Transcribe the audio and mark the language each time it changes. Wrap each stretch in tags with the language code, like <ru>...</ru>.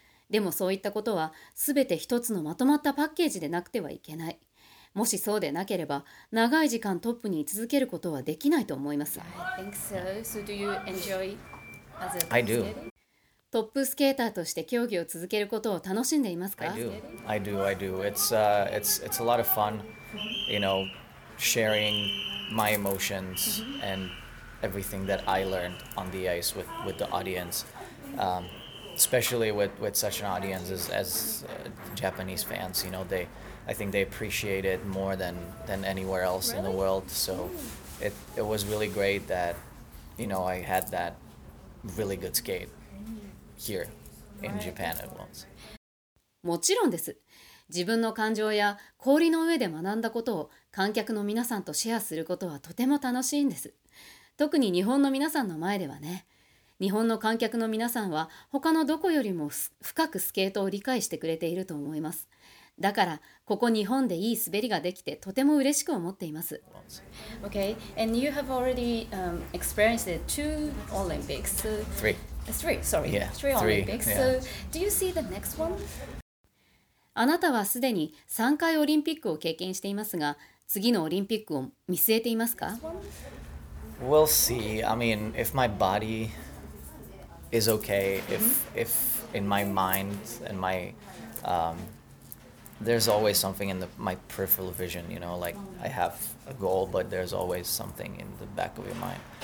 <ja>でもそういったことは、すべて一つのまとまったパッケージでなくてはいけない。もしそうでなければ、長い時間トップに続けることはできないと思います。</ja> <en>I think so. So do you enjoy as a I do.</en> <ja>トップスケーターとして競技を続けることを楽しんでいますか?</ja> <en>I do. It's a lot of fun, you know, sharing my emotions and everything that I learned on the ice with the audience. Especially with such an audience as Japanese fans, you know, I think they appreciate it more than anywhere else really? In the world. So it was really great that, you know, I had that really good skate here in Japan at once.</en> <ja>もちろんです。自分の感情や氷の上で学んだことを観客の皆さんとシェアすることはとても楽しいんです。特に日本の皆さんの前ではね。日本の観客の皆さんは他のどこよりも深くスケートを理解してくれていると思います。だからここ日本でいい滑りができてとても嬉しく思っています。</ja> <en>Okay, and you have already experienced two Olympics. Three Olympics. Yeah. So do you see the next one?</en> <ja>あなたはすでに3回オリンピックを経験していますが、次のオリンピックを見据えていますか?</ja> <en>We'll see. I mean, if my body is okay, if in my mind and my there's always something in my peripheral vision, you know, like I have a goal, but there's always something in the back of your mind.</en>